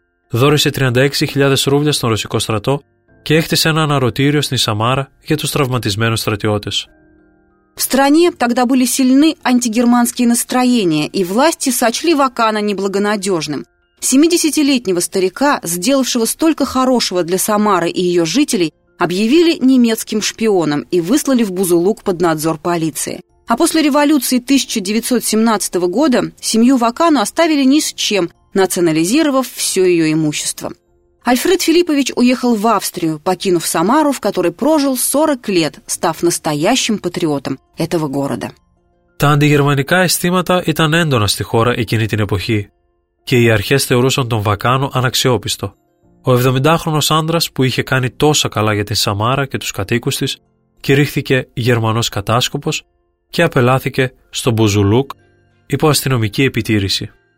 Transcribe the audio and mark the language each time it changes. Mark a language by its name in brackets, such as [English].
[Greek] Δώρησε 36.000 ρούβλια στον Ρωσικό στρατό και έκτισε ένα αναρωτήριο στην Σαμάρα για τους τραυματισμένους στρατιώτες. [Russian] В стране тогда были сильны антигерманские настроения, и власти сочли Вакана неблагонадежным. 70-летнего старика, сделавшего столько хорошего для Самары и ее жителей, объявили немецким шпионом и выслали в Бузулук под надзор полиции. А после революции 1917 года семью Вакану оставили ни с чем, национализировав все ее имущество. Альфред Филиппович уехал в Австрию, покинув Самару, в которой прожил 40 лет, став настоящим патриотом этого города. [Greek] Τα αντιγερμανικά αισθήματα ήταν έντονα στη χώρα εκείνη την εποχή και οι αρχές θεωρούσαν τον Βακάνο αναξιόπιστο. Ο 70χρονος άντρας που είχε κάνει τόσα καλά για την Σαμάρα και τους κατοίκους της κηρύχθηκε γερμανός κατάσκοπος και απελάθηκε στον Μπουζουλούκ υπό αστυνομική επιτήρηση.